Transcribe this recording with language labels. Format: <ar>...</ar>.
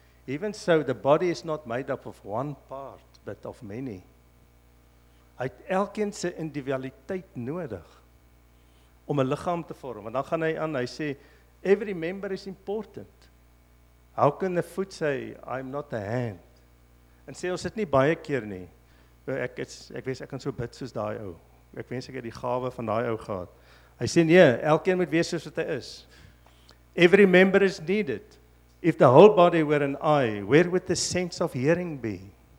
<en>Even so, the body is not made up of one part, but of many.</en> <af>Hy het elkeen sy individualiteit nodig, om 'n liggaam te vorm. En dan gaan hy aan, hy sê,</af> <en>every member is important. How can the foot say, I'm not the hand?</en> <af>En sê, ons het nie baie keer nie. Ek kan so bid soos daai ou. Ek wens ek het die gawe van daai ou gehad. Hy sê nee, elkeen moet wees soos wat hy is.</af> <en>Every member is needed. If the whole body were an eye, where would the sense of hearing be?</en>